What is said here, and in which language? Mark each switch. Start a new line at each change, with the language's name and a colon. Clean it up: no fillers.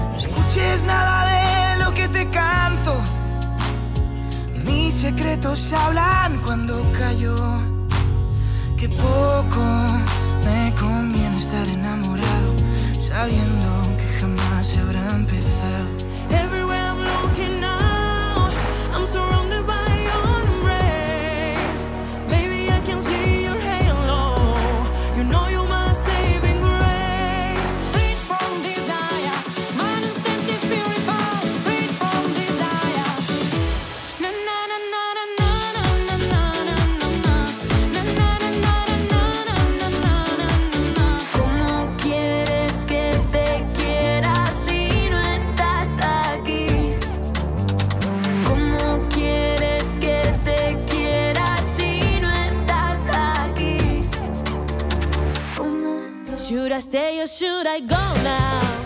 Spanish: No escuches nada de lo que te canto. Mis secretos se hablan cuando cayó. Qué poco me conviene estar enamorado, sabiendo que jamás se habrá empezado.
English: Everywhere I'm looking now, I'm surrounded by your embrace. Maybe I can see your halo. You know you're my saving grace. Freed from desire, mind and senses purified. Freed from desire. Na na na na na na na na na na na na na na na na na na na na na na na na.
Spanish: ¿Cómo quieres que te quiera si no estás aquí? ¿Cómo quieres que te quiera si no estás aquí? ¿Cómo?
English: Should I stay or should I go now?